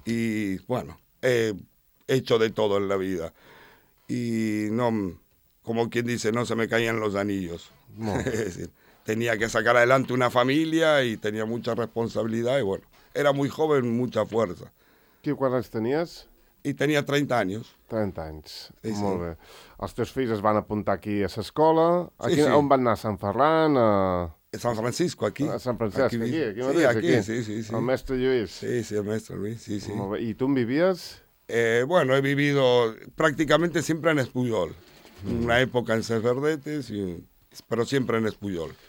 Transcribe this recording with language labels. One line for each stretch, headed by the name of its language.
Spanish: Y, bueno, he hecho de todo en la vida. Y no... Como quien dice, no se me caían los anillos. No. Es decir, tenía que sacar adelante una familia y tenía mucha responsabilidad. Y bueno, era muy joven, mucha fuerza. ¿Qué cuadras tenías? Y tenía 30 años. 30 años. Sí, sí.
Catalan: Molt bé. Els teus fills es van apuntar aquí a l'escola. Aquí, sí, sí. On van anar? A Sant Ferran?
Spanish: A San Francisco, aquí. A San Francisco, aquí. Aquí.
Catalan: El mestre Lluís. Sí, sí, el mestre Lluís. Sí, sí. Molt bé. I tu on vivies?
Spanish: Bueno, he vivido prácticamente siempre en Espujol.
Catalan: Una època en Ses Verdetes, però sempre en Espujol.